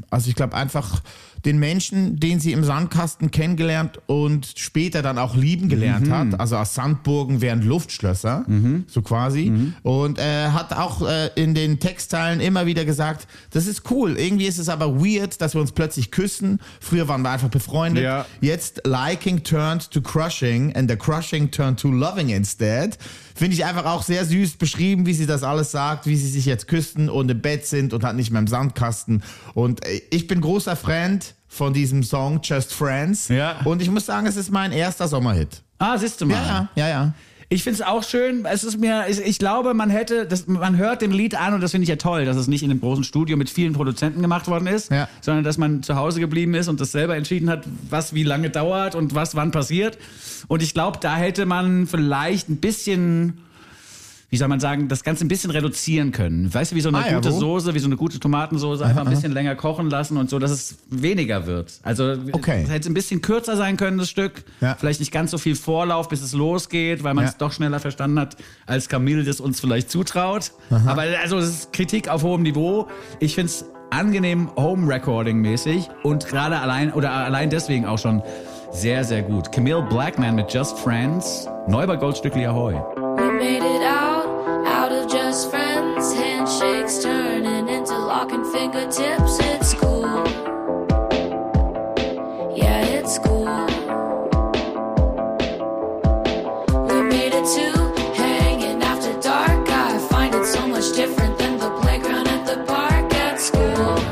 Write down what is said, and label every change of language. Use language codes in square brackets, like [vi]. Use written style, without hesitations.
[de] Also ich glaube einfach den Menschen, den sie im Sandkasten kennengelernt und später dann auch lieben gelernt hat. Also aus Sandburgen wären Luftschlösser, so quasi. Mhm. Und hat auch in den Textteilen immer wieder gesagt, das ist cool. Irgendwie ist es aber weird, dass wir uns plötzlich küssen. Früher waren wir einfach befreundet. Ja. [en] Jetzt liking turned to crushing and the crushing turned to loving instead. [de] Finde ich einfach auch sehr süß beschrieben, wie sie das alles sagt, wie sie sich jetzt küssen und im Bett sind und hat nicht mehr im Sandkasten. Und ich bin großer Friend von diesem Song Just Friends. Ja. Und ich muss sagen, es ist mein erster Sommerhit. Ah, siehst du mal. Ja, ja, ja, ja. Ich finde es auch schön. Es ist mir, ich glaube, man hätte, das, man hört dem Lied an und das finde ich ja toll, dass es nicht in einem großen Studio mit vielen Produzenten gemacht worden ist, sondern dass man zu Hause geblieben ist und das selber entschieden hat, was wie lange dauert und was wann passiert. Und ich glaube, da hätte man vielleicht ein bisschen, wie soll man sagen, das Ganze ein bisschen reduzieren können. Weißt du, wie so eine gute Soße, wie so eine gute Tomatensoße, einfach ein bisschen länger kochen lassen und so, dass es weniger wird. Also es hätte ein bisschen kürzer sein können, das Stück. Ja. Vielleicht nicht ganz so viel Vorlauf, bis es losgeht, weil man es doch schneller verstanden hat, als Camille das uns vielleicht zutraut. Aha. Aber also es ist Kritik auf hohem Niveau. Ich finde es angenehm Home-Recording-mäßig und gerade allein oder allein deswegen auch schon sehr, sehr gut. Camille Blackman mit Just Friends. Neu bei Goldstückli Ahoi. [en] We made it out of just friends. Handshakes turning into locking fingertips. It's cool. Yeah, it's cool. We made it to hanging after dark. I find it so much different than the playground at the park at school.